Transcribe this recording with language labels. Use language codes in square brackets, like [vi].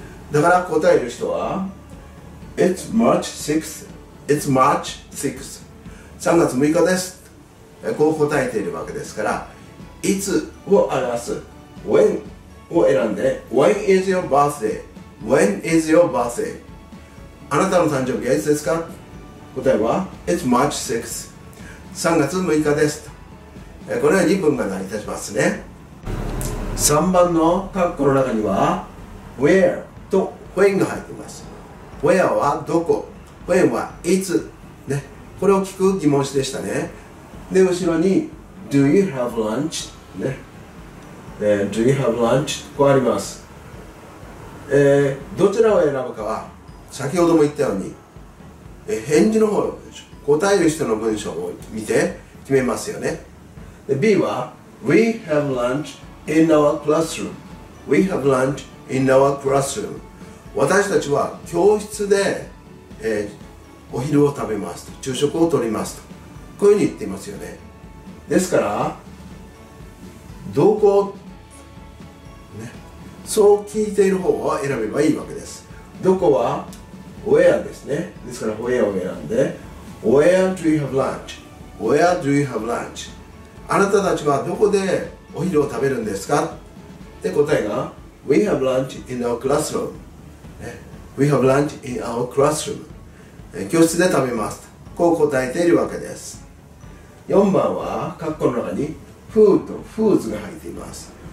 [ja] だから答える人は [en] It's March 6th、 It's March 6th、 [ja] 3月6日です、こう答えているわけですから、いつを表す When を選んで、 [en] When is your birthday、 When is your birthday、 [ja] あなたの誕生日はいつですか、答えは [en] It's March 6th、 [ja] 3月6日です。これは2分が成り立ちますね。3番の括弧の中には Where と When が入っています。 Where はどこ、 When はいつ、ね、これを聞く疑問詞でしたね。で、後ろに [en] Do you have lunch、 [ja] ね、 [en] Do you have lunch、 [ja] こうあります。どちらを選ぶかは先ほども言ったように、返事の方でしょ、答える人の文章を見て決めますよね。で、 B は [en] We have lunch in our classroom、 We have lunch in our classroom、 [ja] 私たちは教室で、お昼を食べますと、昼食をとりますと、こういうふうに言っていますよね。ですからどこ、ね、そう聞いている方を選べばいいわけです。どこは Where ですね。ですから [en] Where [ja] を選んで、 [en] Where do you have lunch? Where do you have lunch? [ja] あなたたちはどこでお昼を食べるんですか？で、答えが [en] We have lunch in our classroom、 [ja] ね、 [en] We have lunch in our classroom、 [ja] 教室で食べます、こう答えているわけです。 4番は括弧の中に Who と Whose が入っています。